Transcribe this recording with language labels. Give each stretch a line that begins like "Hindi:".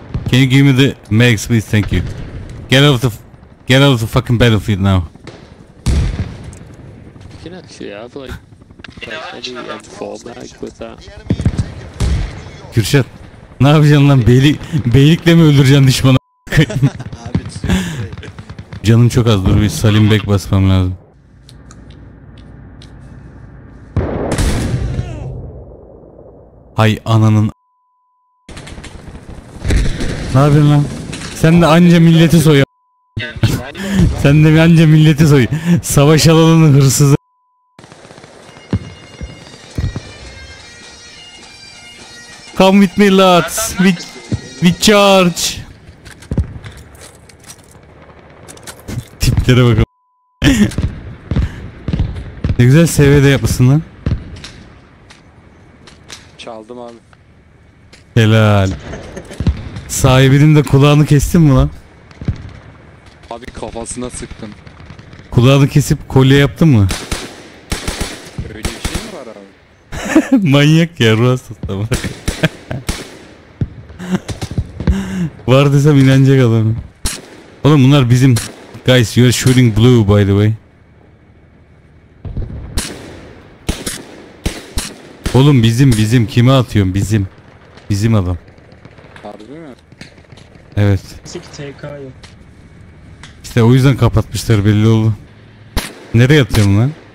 English: Can you give me the mags please? Thank you. Get out of the fucking battlefield now. You can actually have like any M4 mag with that.
Turkish: Kürşat. Ne yapacaksın lan? Beylikle mi öldüreceksin düşmanı? Canım çok az, dur bir Salim Bek basmam lazım. Hay ananın. Ne yapıyorsun lan? Sen de anca milleti soy. Sen de bir anca milleti soy. Savaş alanının hırsızı.
English: Come with me lads, we charge.
Turkish: Tiplere bakalım. Ne güzel CV'de de yapmışsın lan. Çaldım abi. Helal. Sahibinin de kulağını kestin mi lan? Abi kafasına sıktım. Kulağını kesip kolye yaptın mı? Öyle bir şey mi var abi? Manyak ya, ruh hastası bak. Var desem inanacak adamı. Oğlum bunlar bizim.
English: Guys, you are shooting blue by the way.
Turkish: Oğlum bizim kime atıyorsun, bizim. Bizim adam. Harbi mi? Evet. Sik TK yok. İşte o yüzden kapatmışlar, belli oldu. Nereye atıyorsun lan?